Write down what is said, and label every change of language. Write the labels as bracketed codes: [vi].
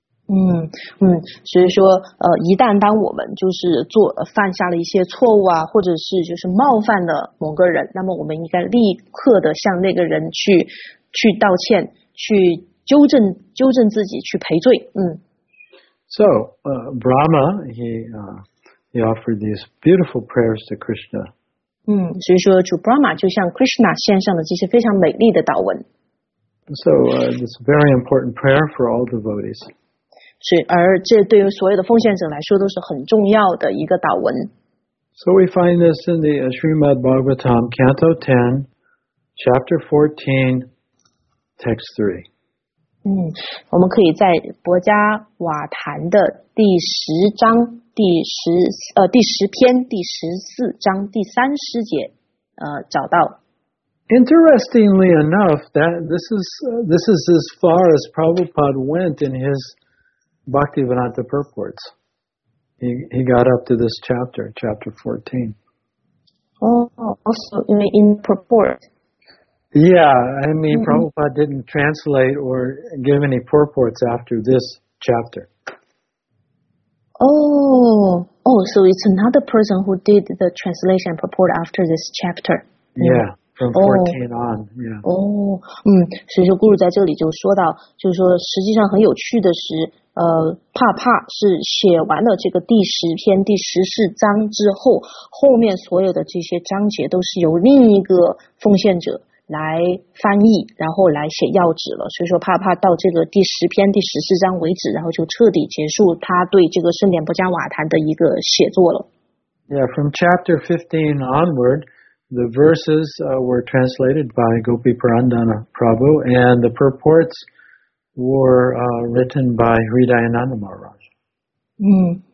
[zh] 所以说一旦当我们就是做犯下了一些错误啊，或者是就是冒犯了某个人，那么我们应该立刻的向那个人去道歉，去纠正自己，去赔罪。 [en] So, Brahma, he offered these beautiful prayers to Krishna. [zh] 所以说主 Brahma 就向 Krishna 献上了这些非常美丽的祷文。 [en] So, it's a very important prayer for all devotees. [zh] 是，而这对于所有的奉献者来说都是很重要的一个祷文。 [en] So we find this in the Srimad Bhagavatam, Canto 10, Chapter 14, Text 3. [zh] 我们可以在博迦瓦坛的第十章第十第十篇第十四章第三十节找到。 [en] Interestingly enough, that this is as far as Prabhupada went in his Bhaktivedanta purports. He got up to this chapter 14. Also in purport. Yeah, I mean, Prabhupada didn't translate or give any purports after this chapter. So it's another person who did the translation purport after this chapter. Yeah. From 14 on, yeah. [zh] 所以说 Guru 在这里就说到，就是说实际上很有趣的是，帕是写完了这个第十篇第十四章之后，后面所有的这些章节都是由另一个奉献者来翻译，然后来写要旨了。所以说帕到这个第十篇第十四章为止，然后就彻底结束他对这个圣典波迦瓦坛的一个写作了。 [en] Yeah, from chapter 15 onward,The verses were translated by Gopi Purandana Prabhu, and the purports were written by Hridayananda Maharaj.